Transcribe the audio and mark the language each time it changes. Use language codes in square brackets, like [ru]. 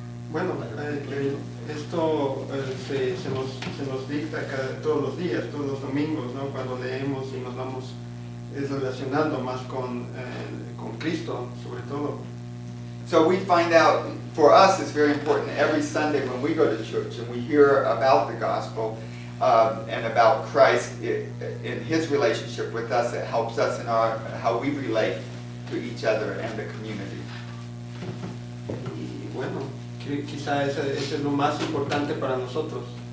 [es] Bueno, esto se nos dicta todos los días, todos los domingos, ¿no? Cuando leemos y nos vamos relacionando más con Cristo, sobre todo. [en] So we find out, for us it's very important every Sunday when we go to church and we hear about the gospel and about Christ in his relationship with us, it helps us in our how we relate to each other and the community. [es] Y bueno, quizá ese es lo más importante para nosotros.